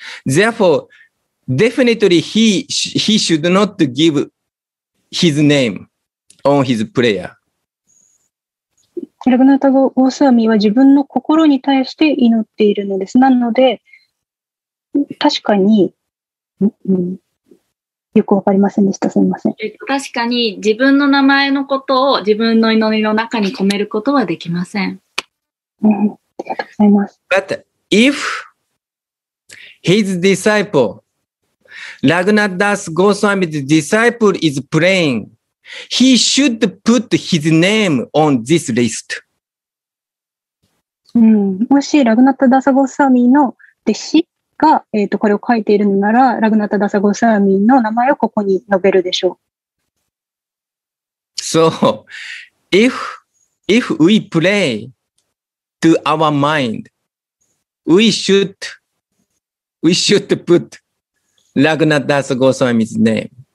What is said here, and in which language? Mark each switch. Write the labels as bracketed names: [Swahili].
[English] Therefore, definitely he should not give his name on his prayer. [Japanese] ラグナタゴスワミは自分の心に対して祈っているのです。なので、確かに、よくわかりませんでした。すみません。確かに、自分の名前のことを自分の祈りの中に込めることはできません。ありがとうございます。 [English] But if his disciple, ラグナタゴスワミ 's disciple is praying,He should put his name on this list. [Japanese] もしラグナタダサゴスワミの弟子が、これを書いているのなら、ラグナタダサゴスワミの名前をここに述べるでしょう。 [English] So, if we pray to our mind, we should put ラグナタダサゴスワミ's name.